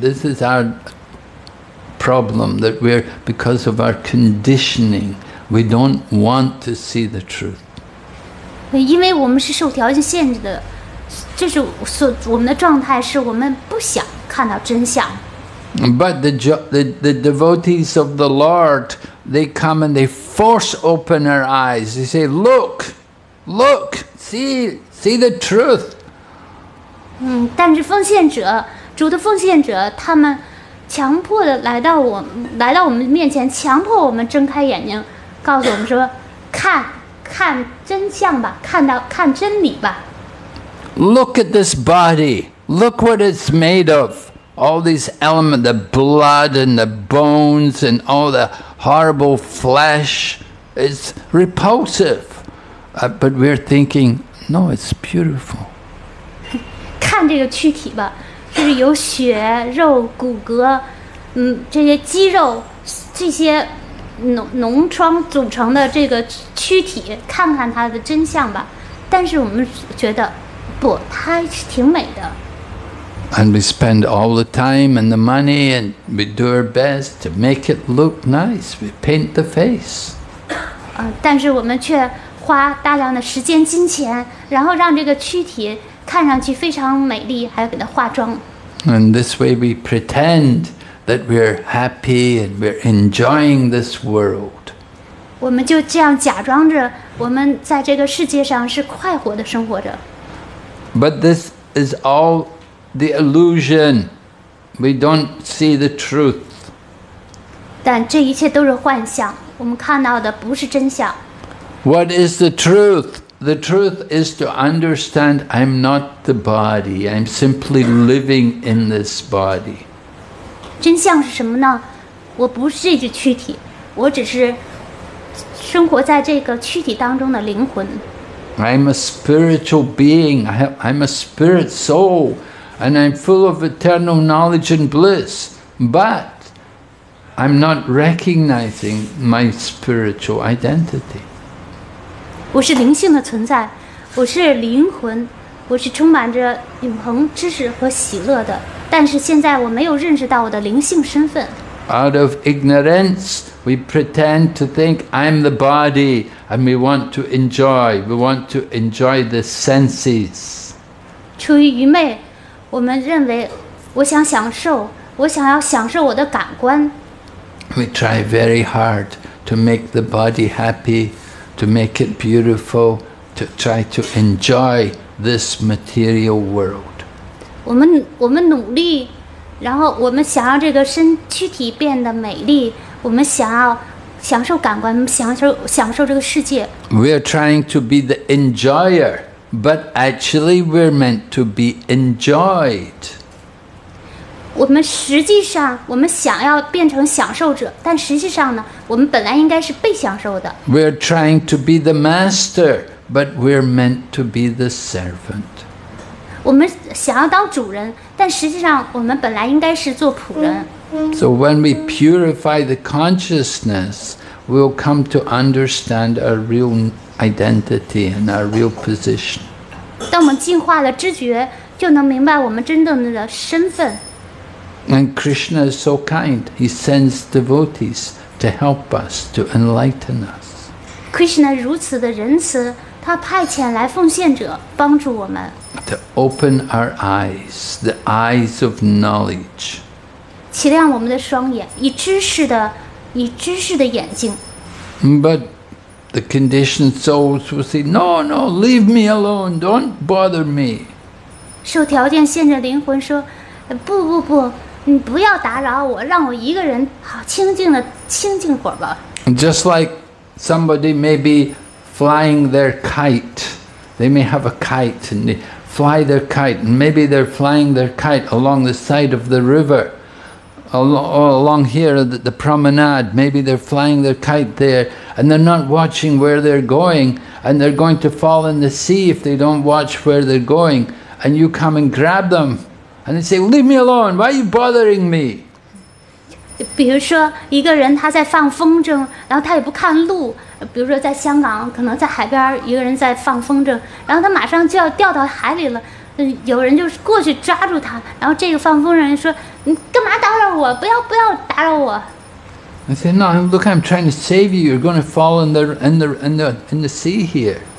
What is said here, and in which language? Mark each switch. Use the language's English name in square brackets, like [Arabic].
[English] This is our problem that we're because of our conditioning, we don't want to see the truth. [Chinese] 因为我们是受条件限制的，就是所我们的状态是我们不想看到真相。 [English] But the devotees of the Lord, they come and they force open our eyes. They say, look, look, see the truth. [Chinese] 但是奉献者，主的奉献者，他们强迫的来到我们面前，强迫我们睁开眼睛，告诉我们说，看看真相吧，看真理吧。 [English] Look at this body. Look what it's made of. All these elements, the blood and the bones and all the horrible flesh. It's repulsive. But we're thinking, no, it's beautiful. [Chinese] 看这个躯体吧，就是有血肉骨骼，这些肌肉，这些脓疮组成的这个躯体，看看它的真相吧。但是我们觉得不，它是挺美的。 [English] And we spend all the time and the money, and we do our best to make it look nice. We paint the face. [Chinese] 但是我们却花大量的时间、金钱，然后让这个躯体看上去非常美丽，还要给它化妆。 [English] And this way, we pretend that we're happy and we're enjoying this world. [Chinese] 我们就这样假装着，我们在这个世界上是快活的生活着。 [English] But this is all the illusion. We don't see the truth. [Chinese] 但这一切都是幻象，我们看到的不是真相。 [English] What is the truth? The truth is to understand I'm not the body. I'm simply living in this body. [Chinese] 真相是什么呢？我不是这具躯体，我只是生活在这个躯体当中的灵魂。 [English] I'm a spiritual being. I'm a spirit soul, and I'm full of eternal knowledge and bliss. But I'm not recognizing my spiritual identity. [Chinese] 我是灵性的存在，我是灵魂，我是充满着永恒知识和喜乐的。但是现在我没有认识到我的灵性身份。 [English] Out of ignorance, we pretend to think I'm the body, and we want to enjoy. We want to enjoy the senses. [Chinese] 出于愚昧，我们认为我想享受，我想要享受我的感官。 [English] We try very hard to make the body happy, to make it beautiful, to try to enjoy this material world. [Chinese] 我们努力。然后我们想要这个身躯体变得美丽，我们想要享受感官，享受这个世界。 [English] We are trying to be the enjoyer, but actually we're meant to be enjoyed. [Chinese] 我们实际上，我们想要变成享受者，但实际上呢，我们本来应该是被享受的。 [English] We are trying to be the master, but we're meant to be the servant. [Chinese] 我们想要当主人，但实际上我们本来应该是做仆人。 [English] So when we purify the consciousness, we'll come to understand our real identity and our real position. [Chinese] 当我们净化了知觉，就能明白我们真正的身份。 [English] And Krishna is so kind; he sends devotees to help us to enlighten us. [Chinese] Krishna 如此的仁慈，他派遣来奉献者帮助我们。 [English] To open our eyes, the eyes of knowledge. [Chinese] 启亮我们的双眼，以知识的眼睛。 [English] But the conditioned souls will say, "No, no, leave me alone. Don't bother me." [Chinese] 受条件限制的灵魂说，不不不，你不要打扰我，让我一个人好清静的清静会儿吧。 [English] Just like somebody may be flying their kite, they may have a kite and they. Fly their kite, and maybe they're flying their kite along the side of the river, along here at the promenade. Maybe they're flying their kite there, and they're not watching where they're going, and they're going to fall in the sea if they don't watch where they're going. And you come and grab them, and they say, "Leave me alone! Why are you bothering me?" [Chinese] 比如说，一个人他在放风筝，然后他也不看路。比如说在香港，可能在海边一个人在放风筝，然后他马上就要掉到海里了，有人就过去抓住他，然后这个放风筝人说，你干嘛打扰我，不要打扰我。 [English] I say, no, look, I'm trying to save you, you're going to fall in the sea here.